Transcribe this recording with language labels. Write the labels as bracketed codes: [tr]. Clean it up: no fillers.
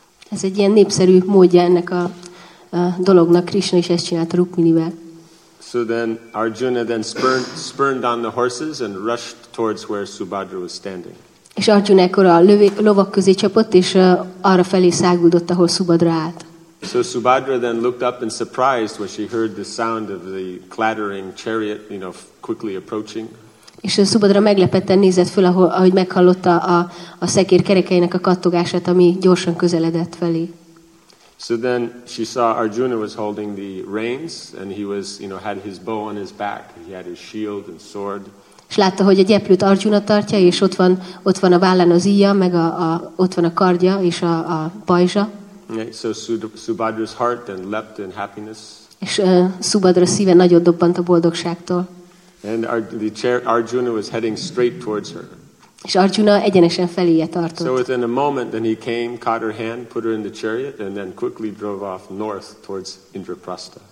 [hu] Ez egy ilyen népszerű módja ennek a dolognak. Krishna is ezt csinálta Rukminivel. [en] So then Arjuna then spurned on the horses and rushed towards where Subhadra was standing. [hu] És Arjuna ekkor a lovak közé csapott, és arra felé száguldott, ahol Subhadra állt. [en] So Subhadra then looked up in surprise when she heard the sound of the clattering chariot, you know, quickly approaching. [hu] És Subhadra meglepetten nézett föl, ahogy meghallotta a szekér kerekeinek a kattogását, ami gyorsan közeledett felé. [en] So then she saw Arjuna was holding the reins, and he was, you know, had his bow on his back, he had his shield and sword. [hu] És látta, hogy a gyeplőt Arjuna tartja, és ott van a vállán az íja, meg ott van a kardja és a pajzsa. [en] Okay, so Subhadra's heart then leapt in happiness. [hu] És Subhadra szíve nagyot dobbant a boldogságtól. [en] And Arjuna was heading straight towards her. [hu] És Arjuna egyenesen feléje tartott. [en] So within a moment then he came, caught her hand, put her in the chariot, and then quickly drove off north towards Indraprastha.